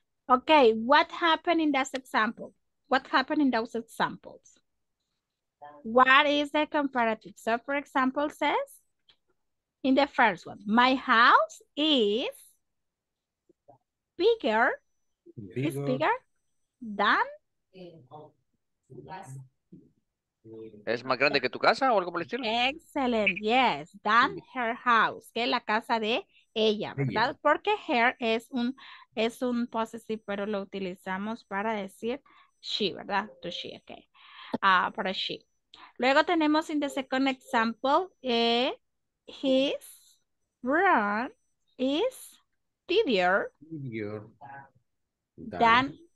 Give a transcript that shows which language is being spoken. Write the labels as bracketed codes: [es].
[en] Okay, what happened in that example? What happened in those examples? What is the comparative? So for example, says in the first one, my house is bigger than [es] es más grande que tu casa o algo por el estilo. [en] Excellent, yes, than her house, [es] que la casa de ella, ¿verdad? Porque her es un possessive, pero lo utilizamos para decir she, ¿verdad? [en] To she, okay. Para she. [es] Luego tenemos [en] in the second example, his room is tidier than